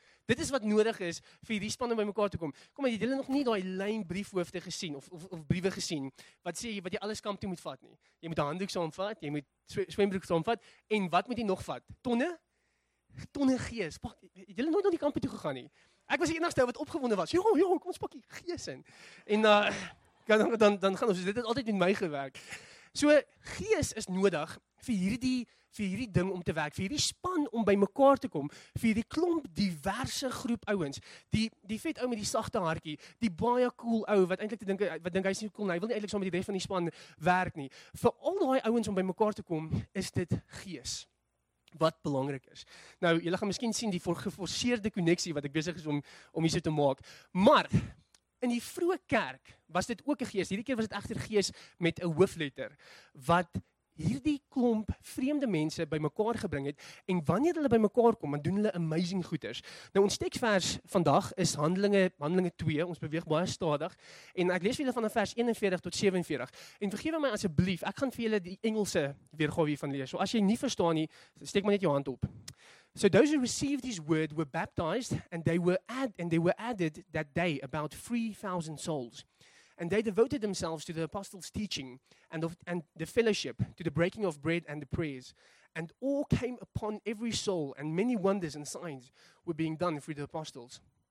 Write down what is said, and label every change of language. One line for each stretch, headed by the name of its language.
Afrikaans: Dit is wat nodig is vir die span om by mekaar te kom. Kom, het jy nog nie daai lyn briefhoofde gesien, of briewe gesien, wat sê jy, wat jy alles kamp toe moet vat nie. Jy moet 'n handdoek saamvat, jy moet swembroek saamvat, en wat moet jy nog vat? Tonne gees. Pak, het jy nooit na die kamp toe gegaan nie? Ek was die enigste wat opgewonde was. Jo, kom ons pak die gees in. En dan gaan ons, dit het altyd met my gewerk. So, gees is nodig vir hierdie ding om te werk, vir hierdie span om by mekaar te kom, vir hierdie klomp diverse groep ouens, die vet ou met die sagte hartjie, die baie cool ou wat eintlik dink hy is nie cool nie, hy wil nie eintlik saam met die res van die span werk nie. Vir al daai ouens om by mekaar te kom, is dit gees wat belangrik is. Nou, julle gaan miskien sien die geforseerde koneksie wat ek besig is om hierso te maak, maar in die vroeë kerk was dit ook 'n gees. Hierdie keer was dit egter gees met 'n hoofletter wat hierdie klomp vreemde mense bymekaar gebring het, en wanneer hulle bymekaar kom, dan doen hulle amazing goeders. Nou, ons teksvers vandag is Handelinge 2. Ons beweeg baie stadig, en ek lees vir julle van vers 41 tot 47. En vergewe my asseblief, ek gaan vir julle die Engelse weergawe hiervan lees. So as jy nie verstaan nie, steek maar net jou hand op.
English: So those who received his word were baptized, and they were added that day about 3,000 souls. And they devoted themselves to the apostles' teaching and the fellowship, to the breaking of bread and the prayers. And awe came upon every soul, and many wonders and signs were being done through the apostles.